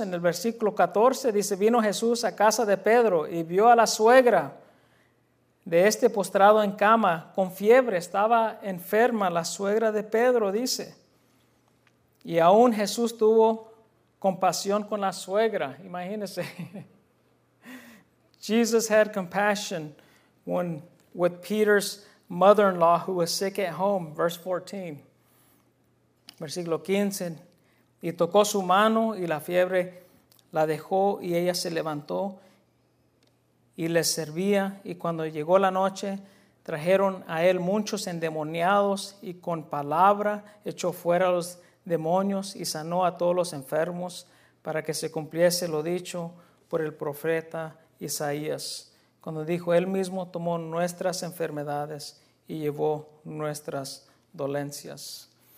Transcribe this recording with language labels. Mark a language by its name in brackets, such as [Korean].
[Spanish] En el versículo 14 dice, vino Jesús a casa de Pedro y vio a la suegra de este postrado en cama, con fiebre, estaba enferma la suegra de Pedro, dice. Y aún Jesús tuvo compasión con la suegra, imagínense. [English] Jesus had compassion with Peter's mother-in-law who was sick at home. Verse 14. [Spanish] Versículo 15. Y tocó su mano y la fiebre la dejó y ella se levantó y le servía. Y cuando llegó la noche, trajeron a él muchos endemoniados y con palabra echó fuera a los demonios y sanó a todos los enfermos para que se cumpliese lo dicho por el profeta Isaías, cuando dijo, él mismo tomó nuestras enfermedades y llevó nuestras dolencias.